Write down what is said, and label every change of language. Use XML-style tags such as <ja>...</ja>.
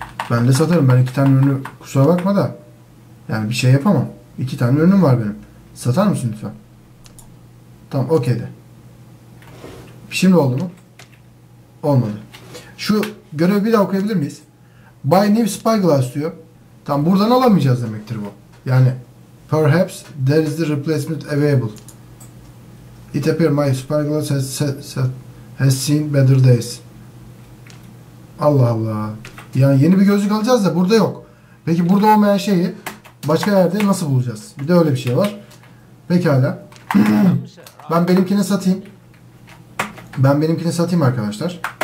<tr>Ben de satarım. Ben iki tane ürünü, kusura bakma da. Yani bir şey yapamam. İki tane ürünüm var benim. Satar mısın lütfen? Tamam, okey de. Şimdi oldu mu? Olmadı. Şu görevi bir daha okuyabilir miyiz?</tr> <en>Buy new spyglass</en> <tr>diyor. Tam buradan alamayacağız demektir bu.</tr> <en>Yani perhaps there is the replacement available. It appears my spyglass has seen better days.</en> <tr>Allah Allah. Yani yeni bir gözlük alacağız da burada yok. Peki burada olmayan şeyi başka yerde nasıl bulacağız? Bir de öyle bir şey var. Pekala. Ben benimkini satayım. Ben benimkini satayım arkadaşlar.</tr>